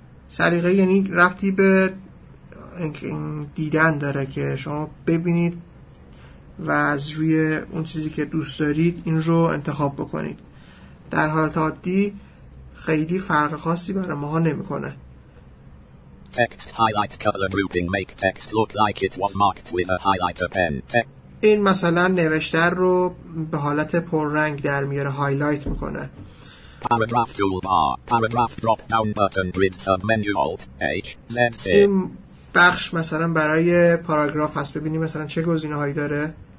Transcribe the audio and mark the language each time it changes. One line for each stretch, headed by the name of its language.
Persian: سلیقه یعنی ربطی به دیدن داره که شما ببینید و از روی اون چیزی که دوست دارید این رو انتخاب بکنید. در حالت عادی خیلی فرق خاصی برای ماها نمیکنه.
English: Text highlight color grouping make text look like it was marked with a highlighter pen.
Persian: این مثلا نوشتار رو به حالت پررنگ در میاره، هایلایت میکنه.
English: Paragraph toolbar, paragraph drop down button, grid submenu alt h z.
Persian: این بخش مثلا برای پاراگراف هست. ببینیم مثلا چه گزینه هایی داره.